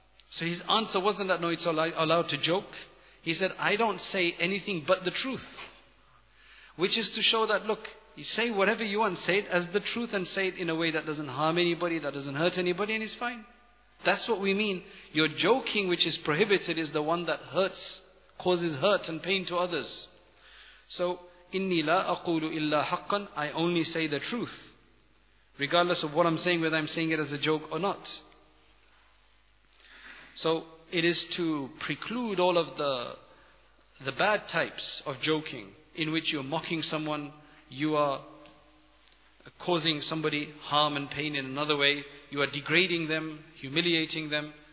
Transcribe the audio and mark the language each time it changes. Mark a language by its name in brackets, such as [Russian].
[English] So his answer wasn't that no, it's allowed to joke. He said, I don't say anything but the truth. Which is to show that, look, you say whatever you want, say it as the truth and say it in a way that doesn't harm anybody, that doesn't hurt anybody, and it's fine. That's what we mean. Your joking, which is prohibited, is the one that hurts, causes hurt and pain to others. [Arabic] So, إِنِّي لَا أَقُولُ إِلَّا حَقًّا. [English] I only say the truth. Regardless of what I'm saying, whether I'm saying it as a joke or not. So, it is to preclude all of the bad types of joking, in which you're mocking someone, you are causing somebody harm and pain in another way, you are degrading them, humiliating them.